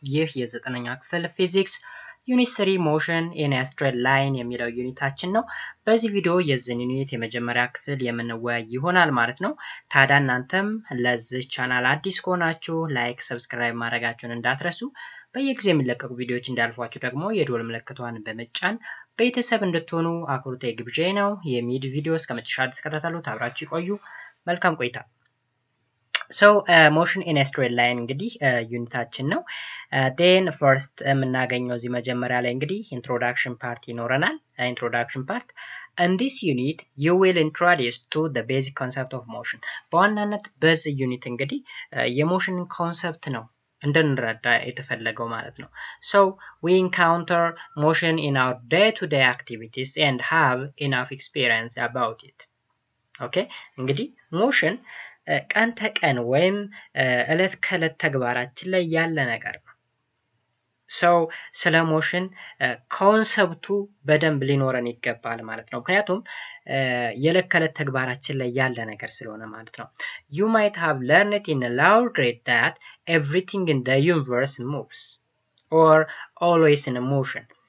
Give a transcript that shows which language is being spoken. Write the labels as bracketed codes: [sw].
[am] ይህ የ9ኛ ክፍል ፊዚክስ ዩኒት 3 ሞሽን ኢን ኤ ስትሬት ላይን የሚለው ዩኒታችን ነው። በዚህ ቪዲዮ የዚህን ዩኒት የመጀመሪያ ክፍል የምንወያይ ይሆናል ማለት ነው። ታዲያ እናንተም ለዚህ ቻናል አዲስ ከሆናችሁ ላይክ ሰብስክራይብ ማድረጋችሁን እንዳትረሱ፣ በየጊዜው የሚለቀቁ ቪዲዮዎች እንዳልፏችሁ ደግሞ የደወል ምልክቷን በመጫን ቤተሰብ እንድትሆኑ አክብሮቴ ግብዣዬ ነው። የሚድ ቪዲዮ እስከመጨረሻ ተከታተሉ፣ አብራችሁ ይቆዩ። መልካም ቆይታ። [en] So, motion in a straight line [am] እንግዲህ ዩኒታችን ነው። [en] Then, first, [am] የምናገኘው እዚህ መጀመሪያ ላይ እንግዲህ introduction part ይኖረናል። Introduction part. [en] In this unit, you will introduce to the basic concept of motion. [am] በዋናነት በዚህ ዩኒት እንግዲህ የሞሽን concept ነው እንድንረዳ የተፈለገው ማለት ነው። [en] So, we encounter motion in our day-to-day activities and have enough experience about it. [am] ኦኬ እንግዲህ ሞሽን ቀን ተቀን ወይም እለት ከእለት ተግባራችን ላይ ያለ ነገር ነው። ሰው ስለ ሞሽን ኮንሰፕቱ በደንብ ሊኖረን ይገባል ማለት ነው። ምክንያቱም የእለት ከእለት ተግባራችን ላይ ያለ ነገር ስለሆነ ማለት ነው። [en] You might have learned in a lower grade that everything in the universe moves or always in a motion.